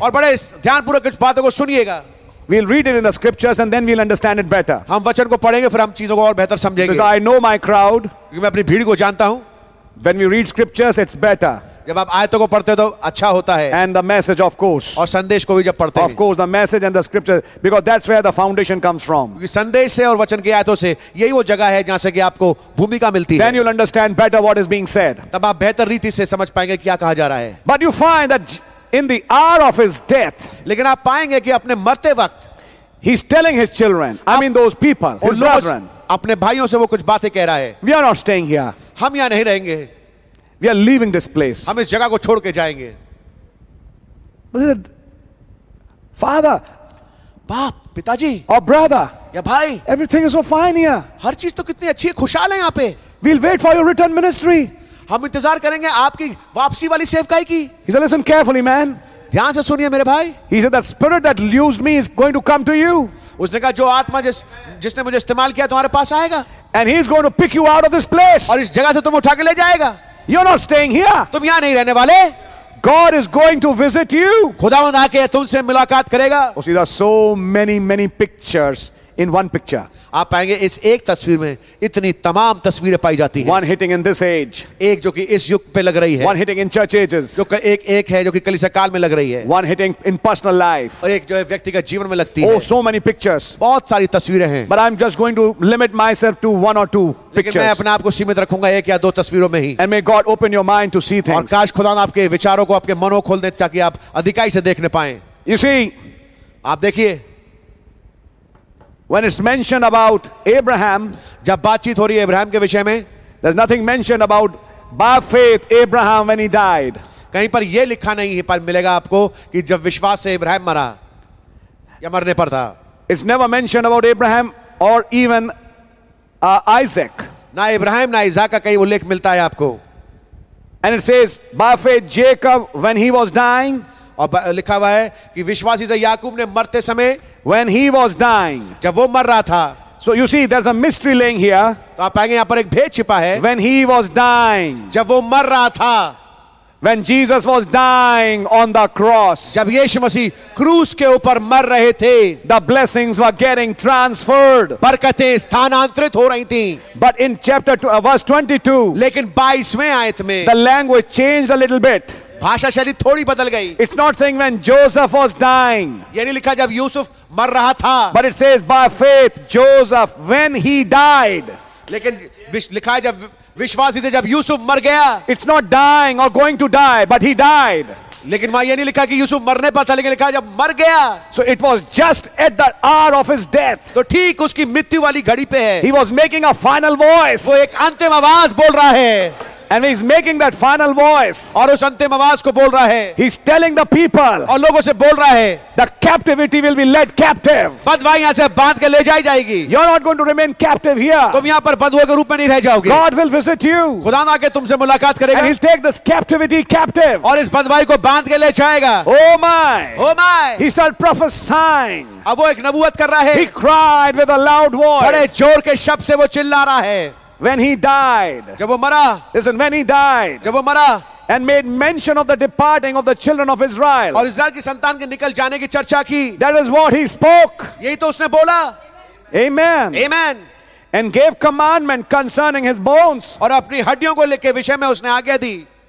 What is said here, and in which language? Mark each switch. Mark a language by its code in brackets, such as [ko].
[hi] और बड़े ध्यानपूर्वक कुछ बातों को सुनिएगा. [en] We'll read it in the scriptures and then we'll understand it better. [hi] हम वचन को पढ़ेंगे फिर हम चीजों को और बेहतर समझेंगे. [en] Because I know my crowd. [hi] क्योंकि मैं अपनी भीड़ को जानता हूँ. [en] When we read scriptures, it's better. [hi] जब आप आयतों को पढ़ते हो तो अच्छा होता है. [en] And the message, of course. [hi] और संदेश को भी जब पढ़ते हैं. [en] Of course, the message and the scriptures, because that's where the foundation comes from. [hi] संदेश से और वचन की आयतों से यही वो जगह है जहाँ से कि आपको भूमिका मिलती है. [en] Then you'll understand better what is being said. [hi] तब आप बेहतर रीति से समझ पाएंगे क्या कहा जा रहा है. [en] But you find that in the hour of his death, [hi] लेकिन आप पाएंगे कि अपने मरते वक्त, [en] he's telling his children, I mean those people, his brethren, [hi] अपने भाइयों से वो कुछ बातें कह रहा है. [en] We are not staying here. [hi] हम यहाँ नहीं रहेंगे. [en] We are leaving this place. [hi] हम इस जगह को छोड़ के जाएंगे. [en] Father, [hi] बाप, पिताजी, और brother, या भाई, [en] everything is so fine here. [hi] हर चीज तो कितनी अच्छी है, खुशहाल है यहाँ पे. [en] We'll wait for your return ministry. [hi] हम इंतजार करेंगे आपकी वापसी वाली सेवकाई की. [en] He said, listen carefully, man. [hi] ध्यान से सुनिए मेरे भाई. [en] He said, the spirit that used me is going to come to you. [hi] उसने कहा जो आत्मा जिसने मुझे इस्तेमाल किया तुम्हारे पास आएगा. [en] And he is going to pick you out of this place. [hi] और इस जगह से तुम उठा के ले जाएगा. [en] You're not staying here. [hi] तुम यहाँ नहीं रहने वाले. [en] God is going to visit you. [hi] खुदावंद आके तुमसे मुलाकात करेगा. [en] Oh, see, there are so many, many pictures. In one picture, [hi] आप पाएंगे इस एक तस्वीर में इतनी तमाम तस्वीरें पाई जाती हैं. [en] One hitting in this age, [hi] एक जो कि इस युग पे लग रही है. [en] One hitting in church ages, [hi] जो कि एक एक है जो कि कलीसिया काल में लग रही है. [en] One hitting in personal life, [hi] और एक जो है व्यक्तिगत जीवन में लगती है. [en] Oh, so many pictures, [hi] बहुत सारी तस्वीरें हैं. [en] But I'm just going to limit myself to one or two pictures. [hi] मैं अपने आप को सीमित रखूंगा एक या दो तस्वीरों में ही. [en] And may God open your mind to see things. [hi] और काश खुदा आपके विचारों को आपके मनों खोल दे ताकि आप अधिकाई से देखने पाएं. [en] You see, [hi] आप देखिए. [en] When it's mentioned about Abraham, [hi] जब बातचीत हो रही है इब्राहिम के विषय में, [en] there's nothing mentioned about by faith Abraham when he died. [hi] कहीं पर ये लिखा नहीं है, पर मिलेगा आपको कि जब विश्वास से इब्राहिम मरा या मरने पर था. [en] It's never mentioned about Abraham or even Isaac. [hi] ना इब्राहिम ना इज़ाक का कहीं उल्लेख मिलता है आपको. [en] And it says by faith Jacob when he was dying. [hi] और लिखा हुआ है कि विश्वासी से याकूब ने मरते समय. [en] When he was dying. [hi] जब वो मर रहा था. [en] So you see, there's a mystery laying here. [hi] तो आप आएंगे यहाँ पर एक भेद छिपा है. [en] When he was dying. [hi] जब वो मर रहा था. [en] When Jesus was dying on the cross. [hi] जब यीशु मसीह क्रूस के ऊपर मर रहे थे. [en] The blessings were getting transferred. [hi] बरकतें स्थानांतरित हो रही थीं. [en] But in chapter verse 22. [hi] लेकिन 22वें आयत में. [en] The language changed a little bit. [hi] भाषा शैली थोड़ी बदल गई. [en] It's not saying when Joseph was dying. [hi] ये नहीं लिखा जब यूसुफ मर रहा था. [en] But it says by faith Joseph when he died. [hi] लेकिन लिखा है जब विश्वासी थे जब यूसुफ मर गया. [en] It's not dying or going to die, but he died. [hi] लेकिन वहां ये नहीं लिखा कि यूसुफ मरने पर था, लेकिन लिखा जब मर गया. [en] So it was just at the hour of his death. [hi] तो ठीक उसकी मृत्यु वाली घड़ी पे है. [en] He was making a final voice. [hi] वो एक अंतिम आवाज बोल रहा है. [en] And he's making that final voice. [hi] और उस अंतिम आवाज को बोल रहा है. [en] He's telling the people. [hi] और लोगों से बोल रहा है. [en] The captivity will be led captive. [hi] बंधुआ से बांध के ले जाई जाएगी. [en] You're not going to remain captive here. [hi] तुम यहाँ पर बंधुओं के रूप में नहीं रह जाओगे. [en] God will visit you. [hi] खुदा आके तुमसे मुलाकात करेगा. [en] And he'll take this captivity captive. [hi] और इस बंधुआई को बांध के ले जाएगा. [en] Oh my. He started prophesying. [hi] अब वो एक नबूवत कर रहा है. [en] He cried with a loud voice. [hi] बड़े जोर के शब्द से वो चिल्ला रहा है. [en] When he died, [hi] जब वो मरा, [en] listen, when he died, [hi] जब वो मरा, [en] and made mention of the departing of the children of Israel, [hi] और इस्राएल की संतान के निकल जाने की चर्चा की, [en] that is what he spoke, [hi] यही तो उसने बोला, [en] amen, and gave commandment concerning his bones, [hi] और अपनी हड्डियों को लेके विषय में उसने आज्ञा दी,